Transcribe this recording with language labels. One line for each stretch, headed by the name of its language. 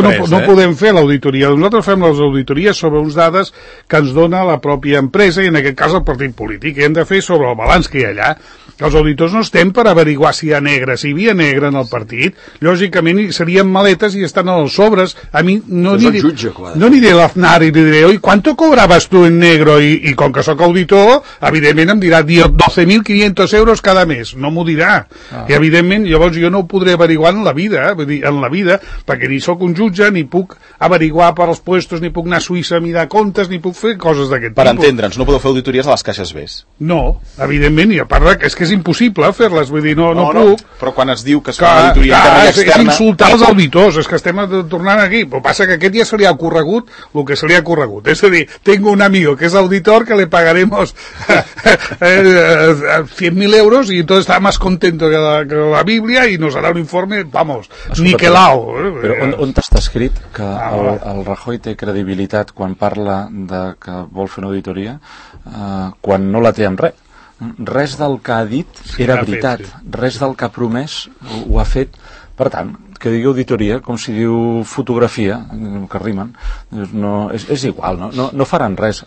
Catalan: No podem fer l'auditoria. Nosaltres fem les auditories sobre uns dades que ens dona la pròpia empresa, i en aquest cas el partit polític, i hem de fer sobre el balanç que hi ha allà. Els auditors no estem per averiguar si hi ha negre. Si hi havia negre en el partit, lògicament serien maletes i estan en els sobres. A mi no n'hi diré... No n'hi diré l'Aznar i n'hi diré, oi,
Spanish: ¿cuánto cobraves tu en negro?
Catalan: I com que sóc auditor, evidentment em dirà 12.500 euros cada mes. No m'ho dirà. I evidentment, llavors jo no ho podré averiguar en la vida, vull dir, en la vida, perquè ni sóc un jutge, ni puc averiguar per els puestos, ni puc anar a Suïssa a mirar comptes, ni puc fer coses d'aquest tipus. Per entendre'ns, no podeu fer auditories a les caixes B's? No, evidentment, i a part que és impossible fer-les, vull dir, no puc. No, però quan es diu que es fa una auditoria interna i externa... És insultar els auditors, és que estem tornant aquí. Però passa que aquest ja se li ha corregut el que se li ha corregut. És a dir, tinc un amigo que és auditor
Spanish: que le pagaremos 100.000 euros i entonces está más contento que la Biblia y nos hará un informe, vamos, niquelao.
Catalan: Però on t'està escrit que el Rajoy té credibilitat quan parla de que vol fer una auditoria quan no la té amb res? res del que ha dit era veritat, res del que ha promès ho ha fet. Per tant, que digui auditoria, com si diu fotografia, que rimen, no, és igual, no faran res.